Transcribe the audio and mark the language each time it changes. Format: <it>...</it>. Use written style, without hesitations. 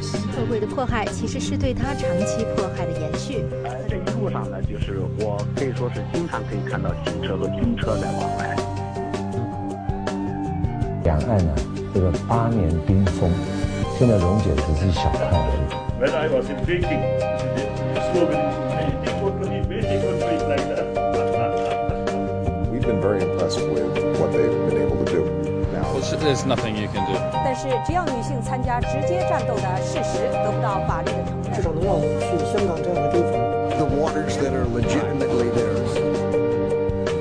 <zh>社会的迫害其实是对他长期迫害的延续。这一路上呢，就是我可以说是经常可以看到警车和军车在往来。两岸呢，这个8年冰封，现在溶解只是小块而已。</zh> <en>When I was in Beijing, the slogan is "Beijing for me, Beijing for me." We've been very impressed with what they've been able to do. Now, there's nothing you can do.</en> <zh>但是，只要女性参加直接战斗的事实得不到法律的承认，至少能让我们去香港这样的地方。</zh> <en>The waters that are legitimately theirs.</en>